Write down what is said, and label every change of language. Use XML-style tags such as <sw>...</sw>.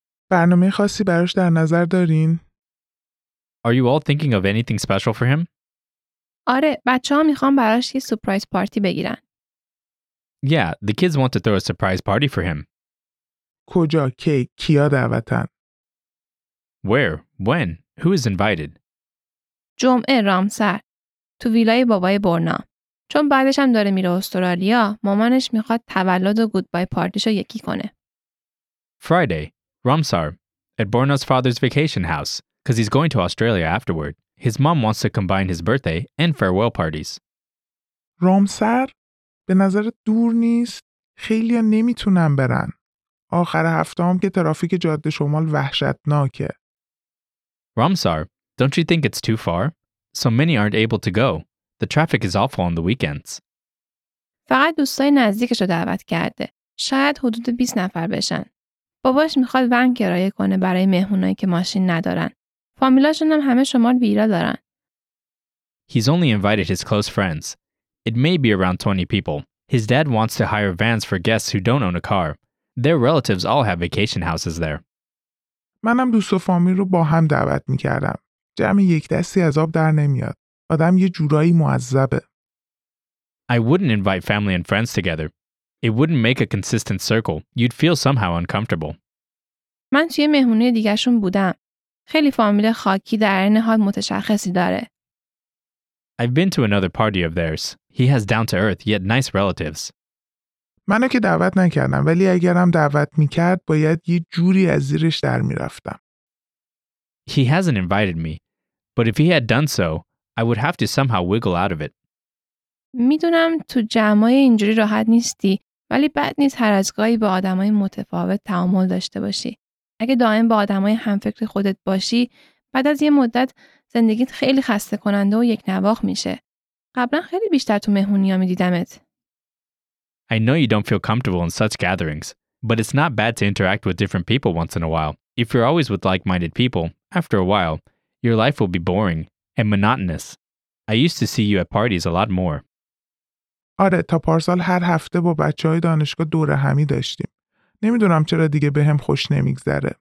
<fa>برنامه خاصی براش در نظر دارین؟</fa> <en>Are you all thinking of anything special for him?</en> <fa>آره، بچه‌ها میخوان براش یه سورپرایز پارتی بگیرن.</fa> <en>Yeah, the kids want to throw a surprise party for him.</en> <fa>کجا؟ کیا دعوتن؟</fa> <en>Where? When? Who is invited?</en> <fa>جمعه رامسر تو ویلای بابای برنا. چون بعدش هم داره میره استرالیا، مامانش میخواد تولد و گودبای پارتیشو یکی کنه.</fa> <en>Friday, Ramsar, at Borna's father's vacation house, because he's going to Australia afterward. His mom wants to combine his birthday and farewell parties. Ramsar?</en> <fa>به نظر دور نیست؟ خیلی ها نمیتونن برن. آخر هفته هم که ترافیک جاده شمال وحشتناکه.</fa> <en>Ramsar, don't you think it's too far? So many aren't able to go. The traffic is awful on the weekends.</en> <fa>فقط دوستای نزدیکش رو دعوت کرده. شاید حدود 20 نفر بشن. باباش میخواد ون کرایه کنه برای مهمونایی که ماشین ندارن. فامیلاشون هم همه شمال ویلا دارن.</fa> <en>He's only invited his close friends. It may be around 20 people. His dad wants to hire vans for guests who don't own a car. Their relatives all have vacation houses there.</en> <fa>منم دوست و فامیل رو با هم دعوت میکردم. جمع یک دستی از آب در نمیاد. آدم یه جورایی معذبه.</fa> <en>I wouldn't invite family and friends together. It wouldn't make a consistent circle. You'd feel somehow uncomfortable.</en> <fa>من توی مهمونی دیگرشون بودم. خیلی فامیل خاکی در این حال متشخصی داره.</fa> <en>I've been to another party of theirs. He has down-to-earth yet nice relatives.</en> <fa>منو که دعوت نکردم، ولی اگرم دعوت میکرد باید یه جوری از زیرش در میرفتم.</fa> <en>He hasn't invited me, but if he had done so, I would have to somehow wiggle out of it.</en> <fa>میدونم تو جمعای اینجوری راحت نیستی، ولی بد نیست هر از گاهی با آدمای متفاوت تعامل داشته باشی. اگه دائم با آدمای همفکر خودت باشی، بعد از یه مدت زندگیت خیلی خسته کننده و یک نواخ میشه. قبلا خیلی بیشتر تو مهمونیا میدیدمت.</fa> <en>I know you don't feel comfortable in such gatherings, but it's not bad to interact with different people once in a while. If you're always with like-minded people, after a while, your life will be boring and monotonous. I used to see you at parties a lot more.</en> <fa>آره، تا پارسال هر هفته با بچه‌های دانشگاه دوره همی داشتیم. نمیدونم چرا دیگه بهم خوش نمیگذره.</fa>